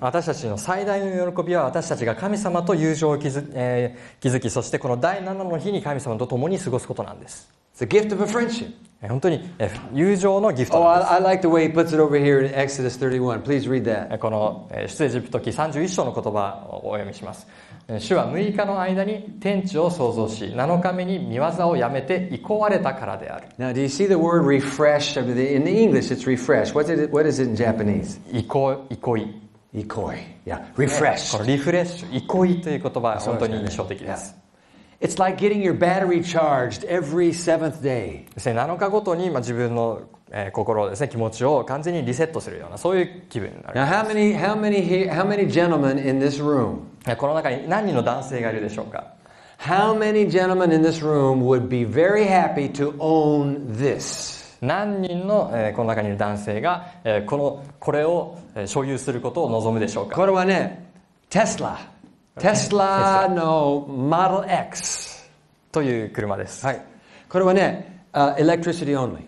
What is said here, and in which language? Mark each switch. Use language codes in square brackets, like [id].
[ja] 私たちの最大の喜びは私たちが神様と友情を築き、そしてこの第七の日に神様と共に過ごすことなんです。 [en] It's a gift of a friendship. [ja] 本当に友情のギフトなんです。 [en] Oh, I like the way he puts it over here in Exodus 31. Please read that. [ja] この出エジプト記31章の言葉をお読みします。主は6日の間に天地を創造し、7日目に御業をやめて憩われたからである。 [en] Now, do you see the word refresh? In English, it's refresh. What is it in Japanese? [ja] 憩い。 [en] Yeah, refresh. [ja] このリフレッシュ、憩いという言葉は本当に印象的です。 [en] It's like getting your battery charged every seventh day. [ja] 7日ごとに自分の心をですね、気持ちを完全にリセットするような、そういう気分になります。 [en] Now, how many gentlemen in this room? [ja] この中に何人の男性がいるでしょうか? [en] How many gentlemen in this room would be very happy to own this? [ja] 何人のこの中にいる男性がこれを所有することを望むでしょうか? これはね、Tesla。テスラの Model X という車です。はい。これはね、 [en] electricity only。